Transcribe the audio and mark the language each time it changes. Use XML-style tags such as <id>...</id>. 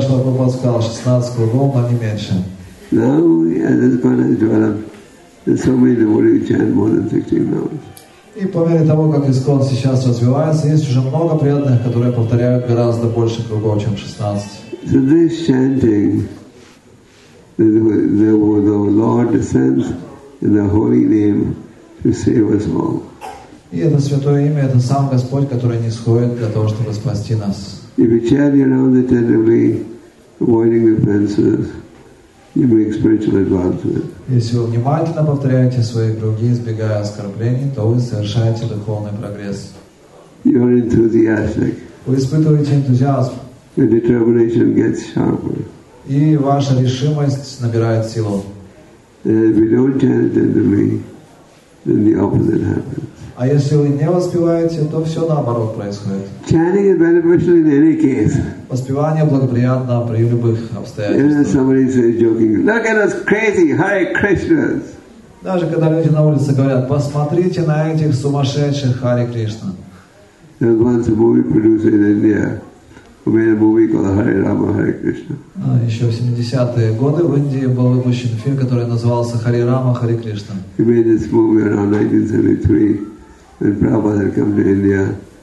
<ru>Шрила Прабхупада сказал: 16 кругов, но не меньше.</ru> <en>Now, as it's going to develop, there's so many devotees chant more than 16 rounds.</en> <ru>И по мере того, как ИСКОН сейчас развивается, есть уже много преданных, которые повторяют гораздо больше кругов, чем 16.</ru> <en>So this chanting, the Lord descends in the holy name to save us all.</en> <ru>И это святое имя, это сам Господь, который нисходит для того, чтобы спасти нас.</ru> <en>If you chant your rounds attentively, avoiding offenses, you make spiritual advancement.</en> <ru>Если вы внимательно повторяете свои круги, избегая оскорблений, то вы совершаете духовный прогресс.</ru> <en>You are enthusiastic.</en> <ru>Вы испытываете энтузиазм.</ru> <en>Your determination gets sharper.</en> <ru>И ваша решимость набирает силу.</ru> <en>And if you don't chant intently, then the opposite happens.</en> <ru>А если вы не воспеваете, то все наоборот происходит.</ru> <en>Chanting is beneficial in any case.</en> <ru>Воспевание благоприятно при любых обстоятельствах.</ru> <en>Somebody says joking, look at us crazy, Hare Krishna.</en> <ru>Даже когда люди на улице говорят: посмотрите на этих сумасшедших, Hare Krishna.</ru> <en>There was once a movie producer in India who made a movie called Hare Rama, Hare Krishna.</en> <ru>Еще в 70-е годы в Индии был выпущен фильм, который назывался Hare Rama, Hare Krishna.</ru> <en>He made this movie around 1973 when Prabhupada had come to India.</en>